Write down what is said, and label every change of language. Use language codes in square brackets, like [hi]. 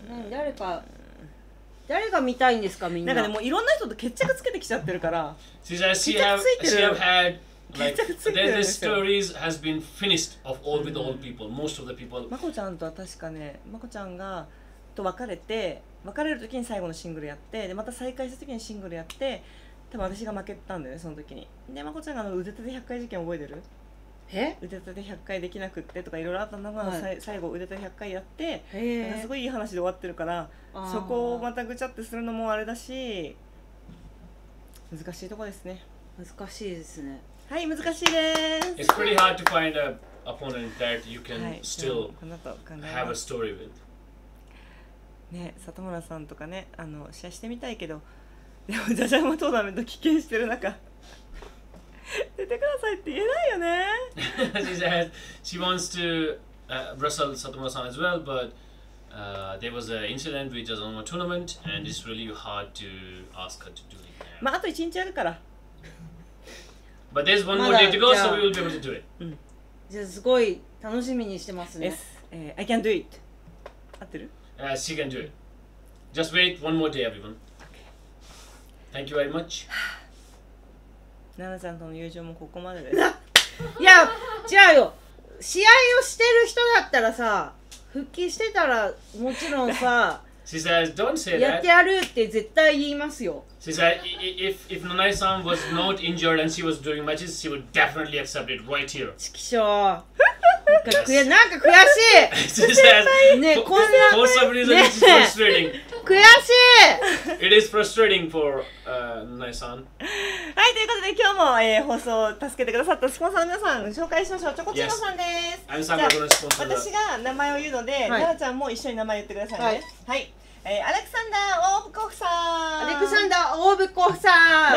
[ja] 誰か。誰が見たいんですか、みんな。なんかね、もういろんな人と決着つけてきちゃってるから。 [en] She says she have had... Like, the stories has been finished of all with all people, most of the people. [ja] マコちゃんとは確かね、マコちゃんがと別れて、別れる時に最後のシングルやって、でまた再会した時にシングルやって、多分私が負けたんだよね、その時に。で、マコちゃんがあの腕立て100回事件覚えてる？え？腕立て100回できなくってとかいろいろあったのが、はい、最後腕立て100回やって、すごいいい話で終わってるから、そこをまたぐちゃってするのもあれだし。難しいとこですね。難しいですね。はい、難しいです。 [en] It's pretty hard to find an opponent that you can still have a story with [ja] ね、里村さんとかね、あの試合してみたいけど、でもジャジャマトーナメント棄権してる中出てくださいって言えないよね。 [en] She said she wants to wrestle Satomura-san as well, but there was an incident with Jajanama tournament, and it's really hard to ask her to do it. [ja] まああと1日あるから。 [en] But there's one more day to go, so we will be able to do it. [ja] じゃあすごい楽しみにしてますね。 [en] Yes, I can do it. [ja] 合ってる？ [en] She can do it. Just wait one more day, everyone. Thank you very much. [ja] ナナちゃんとの友情もここまでです。いや、違うよ。試合をしてる人だったらさ、復帰してたらもちろんさ、 [en] She says, "Don't say that." [ja] やってやるって絶対言いますよ。 [en] She says, if Nanae-san was not injured and she was doing matches, she would definitely accept it right here. [ja] ちきしょう。なんか悔しい。 [en] She says, [ja] ね、こんな [en] for some reason it's frustrating. [ja] 悔しい。 [en] It is frustrating for Nanae-san. [ja] はい、ということで今日も、放送を助けてくださったスポンサーの皆さん紹介しましょう。チョコチロさんです。 [en] Yes. I'm Sam, スポンサー [ja] だ。私が名前を言うので、はい、ななちゃんも一緒に名前言ってくださいね。はい。はい、アレクサンダーオーブコフさん、アレクサンダーオーブコフさん、